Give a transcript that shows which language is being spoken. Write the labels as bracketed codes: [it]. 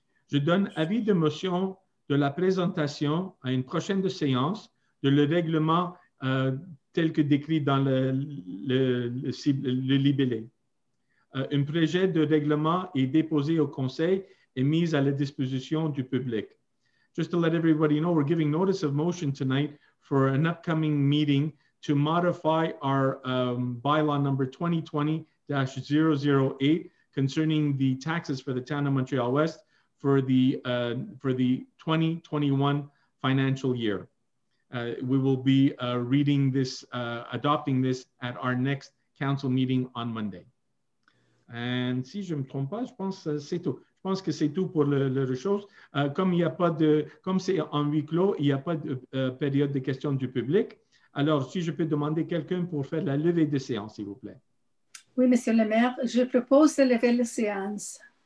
[fr] Je donne avis de motion de la présentation à une prochaine séance de le règlement tel que décrit dans le libellé. Un projet de règlement est déposé au Conseil et mis à la disposition du public. [en] Just to let everybody know, we're giving notice of motion tonight for an upcoming meeting to modify our bylaw number 2020-008 concerning the taxes for the town of Montreal West for the 2021 financial year. We will be reading this, adopting this at our next council meeting on Monday. And [fr] si je ne me trompe pas, je pense que c'est tout. Je pense que c'est tout pour le chose. Comme c'est en huis clos, il n'y a pas de période de questions du public. Alors, si je peux demander quelqu'un pour faire la levée de séance, s'il vous plaît. Oui, Monsieur le maire, je propose de lever la séance.